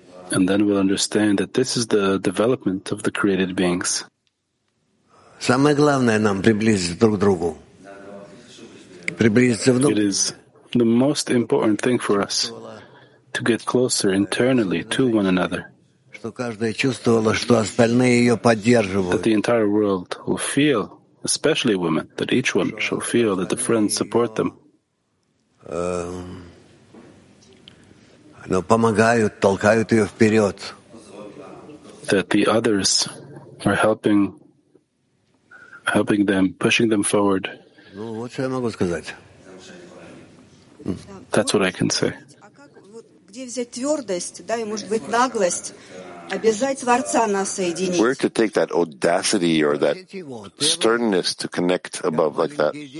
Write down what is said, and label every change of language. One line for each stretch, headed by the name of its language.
English: And then we'll understand that this is the development of the created beings.
Russian: Самое главное нам приблизиться друг к другу. Приблизиться внутрь.
English: It is the most important thing for us to get closer internally to one another.
Russian: Что каждая чувствовала, что остальные ее поддерживают.
English: That the entire world will feel, especially women, that each one shall feel that the friends support them.
Russian: Но помогают, толкают ее вперед.
English: That the others are helping them, pushing them forward.
Russian: Ну, вот что я могу сказать.
English: That's what I can say.
Russian: А как, вот, где взять твердость, да, и, может быть, наглость обязать Творца нас соединить?
English: Where to take that audacity or that sternness to connect above like that?